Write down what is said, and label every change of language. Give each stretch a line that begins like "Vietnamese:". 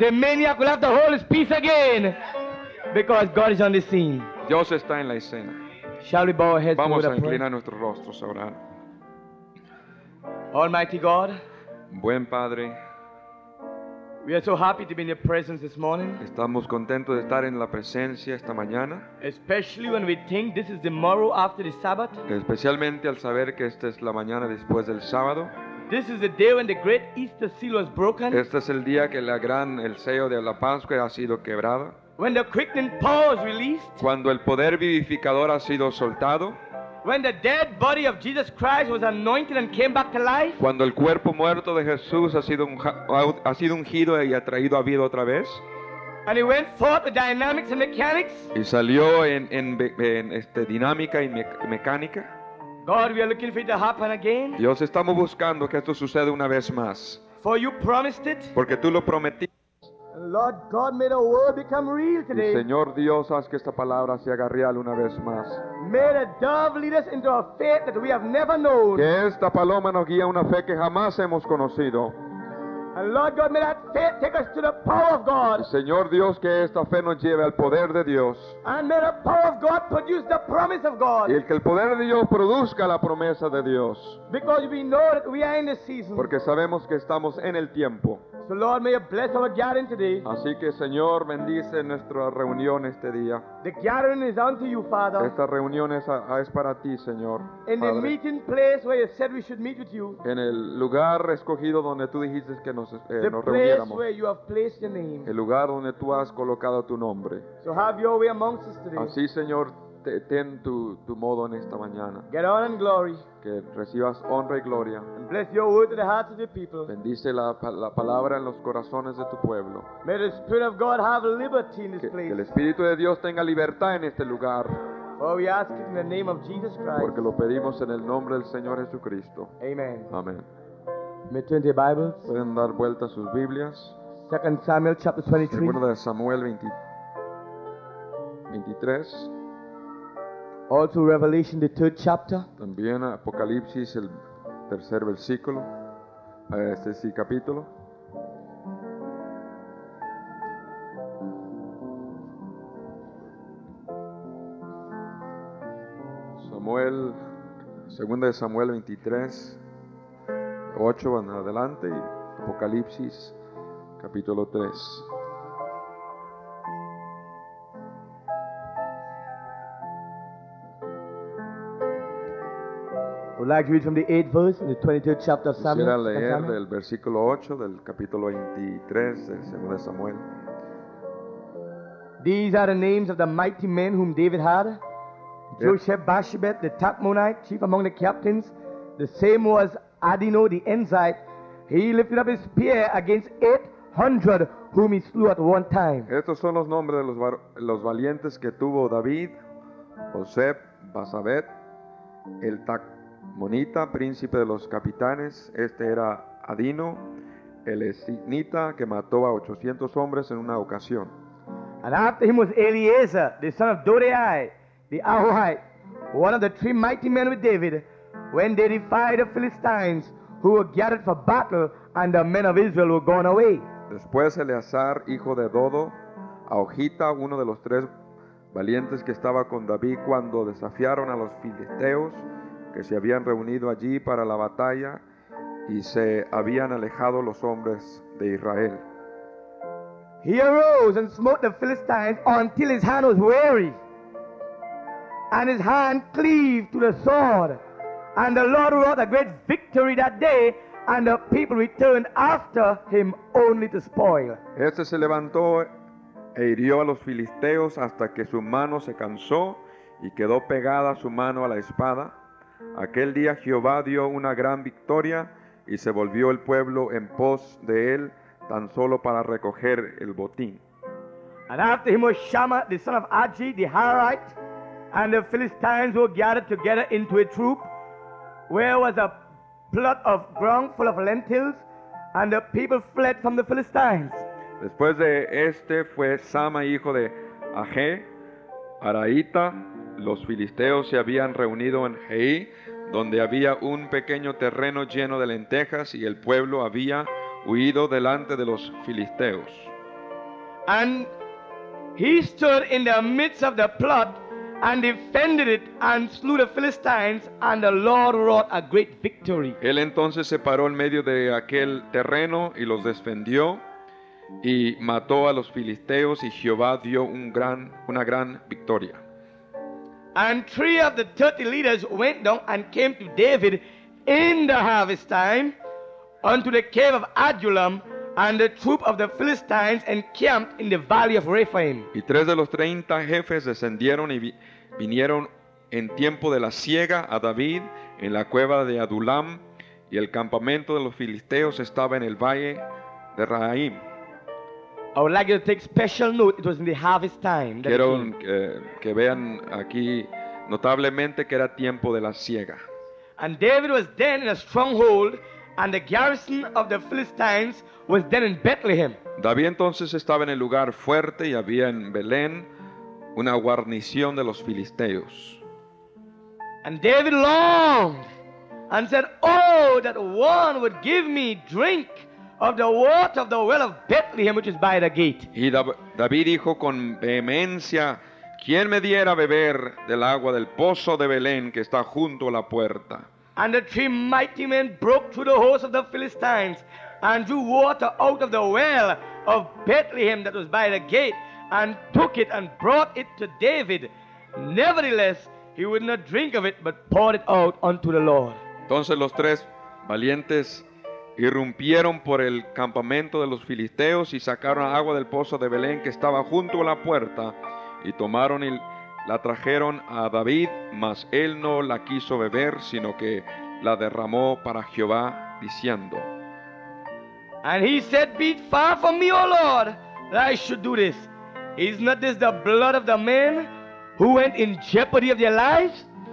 English: The maniac will have to hold his peace again. Because God is on the scene.
Spanish: Dios está en la escena.
English: Shall we bow our heads?
Spanish: Vamos a inclinar nuestros rostros ahora.
English: Almighty God.
Spanish: Buen Padre.
English: We are so happy to be in your presence this morning.
Spanish: Estamos contentos de estar en la presencia esta mañana.
English: Especially when we think this is the morrow after the Sabbath.
Spanish: Especialmente al saber que esta es la mañana después del sábado.
English: This is the day when the great Easter seal was broken.
Spanish: Este es el día que la gran el sello de la Pascua ha sido quebrado.
English: When the quickening power is released.
Spanish: Cuando el poder vivificador ha sido soltado.
English: When the dead body of Jesus Christ was anointed and came back to life.
Spanish: Cuando el cuerpo muerto de Jesús ha sido ungido y ha traído a vida otra vez.
English: And he went forth with dynamics and mechanics.
Spanish: Y salió en dinámica y mecánica.
English: God, we are looking for it to happen again.
Spanish: Dios, estamos buscando que esto suceda una vez más.
English: For you promised it.
Spanish: Porque tú lo prometiste.
English: Lord God, may the word become real today.
Spanish: Y Señor Dios, haz que esta palabra se haga real una vez más.
English: May the dove lead us into a faith that we have never known.
Spanish: Que esta paloma nos guía a una fe que jamás hemos conocido.
English: And Lord God, may that faith take us to the power of God.
Spanish: Señor Dios, que esta fe nos lleve al poder de Dios.
English: And may the power of God produce the promise of God.
Spanish: Y que el poder de Dios produzca la promesa de Dios.
English: Because we know that we are in the season.
Spanish: Porque sabemos que estamos en el tiempo.
English: So Lord, may you bless our gathering today.
Spanish: Así que Señor, bendice nuestra reunión este día.
English: The gathering is unto you, Father.
Spanish: Esta reunión es para ti, Señor.
English: In the meeting place where you said we should meet with you.
Spanish: En el lugar escogido donde tú dijiste que nos
English: reuniéramos. The place where you have placed your name.
Spanish: El lugar donde tú has colocado tu nombre.
English: So have your way amongst us today.
Spanish: Así, Señor, ten tu modo en esta mañana.
English: Get honor and glory.
Spanish: Que recibas honra y gloria.
English: And bless your word to the hearts of the people.
Spanish: Bendice la palabra en los corazones de tu pueblo.
English: May the Spirit of God have liberty in this place.
Spanish: Que el Espíritu de Dios tenga libertad en este lugar.
English: For we ask it in the name of Jesus Christ.
Spanish: Porque lo pedimos en el nombre del Señor Jesucristo.
English: Amen.
Spanish: Amen.
English: May turn their Bibles.
Spanish: Pueden dar vuelta sus Biblias.
English: 2 Samuel chapter 23.
Spanish: Segundo de Samuel 23.
English: Also Revelation, the third chapter.
Spanish: También Apocalipsis, el tercer versículo. Este sí, capítulo. Samuel, segunda de Samuel 23, 8, van adelante. Y Apocalipsis, capítulo 3.
English: I'd like to read from the 8th verse in the 23rd chapter of Samuel.
Spanish: Quisiera leer del versículo 8 del capítulo 23 de 2 Samuel.
English: These are the names of the mighty men whom David had. Josheb Bashibet, the Tapmonite, chief among the captains. The same was Adino, the Enzite. He lifted up his spear against 800 whom he slew at one time.
Spanish: Estos son los nombres de los valientes que tuvo David. Josheb Bashibet, el Tapmonite. Monita, príncipe de los capitanes, este era Adino, el Esinita, que mató a 800 hombres en una ocasión.
English: And after him was Eleazar, the son of Dodai, the Ahohite, one of the three mighty men with David, when they defied the Philistines, who were gathered for battle, and the men of Israel were gone away.
Spanish: Después Eleazar, hijo de Dodo, Ahohita, uno de los tres valientes que estaba con David cuando desafiaron a los filisteos, que se habían reunido allí para la batalla y se habían alejado los hombres de Israel.
English: He arose and smote the Philistines until his hand was weary, and his hand cleaved to the sword. And the Lord wrought a great victory that day, and the people returned after him only to spoil.
Spanish: Este se levantó e hirió a los filisteos hasta que su mano se cansó y quedó pegada su mano a la espada. Aquel día Jehová dio una gran victoria y se volvió el pueblo en pos de él tan solo para recoger el botín.
English: And after him was Shammah, the son of Agi, the Hararite, and the Philistines were gathered together into a troop, where was a plot of ground full of lentils, and the people fled from the Philistines.
Spanish: Después de este fue Sama, hijo de Age, Araíta. Los filisteos se habían reunido en Jeí, donde había un pequeño terreno lleno de lentejas y el pueblo había huido delante de los filisteos.
English: And he stood in the midst of the plot and defended it and slew the Philistines, and the Lord wrought a great victory.
Spanish: Él entonces se paró en medio de aquel terreno y los defendió, y mató a los filisteos y Jehová dio una gran victoria.
English: And three of the 30 leaders went down and came to David in the harvest time unto the cave of Adullam, and the troop of the Philistines encamped in the valley of Rephaim.
Spanish: Y tres de los 30 jefes descendieron y vinieron en tiempo de la siega a David en la cueva de Adullam, y el campamento de los filisteos estaba en el valle de Rephaim.
English: I would like you to take special note. It was in the harvest time.
Spanish: Quiero que vean aquí notablemente que era tiempo de la siega.
English: And David was then in a stronghold, and the garrison of the Philistines was then in Bethlehem.
Spanish: David entonces estaba en el lugar fuerte y había en Belén una guarnición de los filisteos.
English: And David longed and said, "Oh, that one would give me drink of the water of the well of Bethlehem, which is by the gate."
Spanish: Y David dijo con vehemencia, "¿Quién me diera beber del agua del pozo de Belén que está junto a la puerta?"
English: And the three mighty men broke through the host of the Philistines and drew water out of the well of Bethlehem that was by the gate, and took it and brought it to David. Nevertheless, he would not drink of it, but poured it out unto the Lord.
Spanish: Entonces los tres valientes irrumpieron por el campamento de los filisteos y sacaron agua del pozo de Belén que estaba junto a la puerta, y tomaron y la trajeron a David, mas él no la quiso beber, sino que la derramó para Jehová, diciendo.
English: And he said, "Be it far from me, O Lord, that I should do this. Is not this the blood of the men who went in jeopardy of their lives?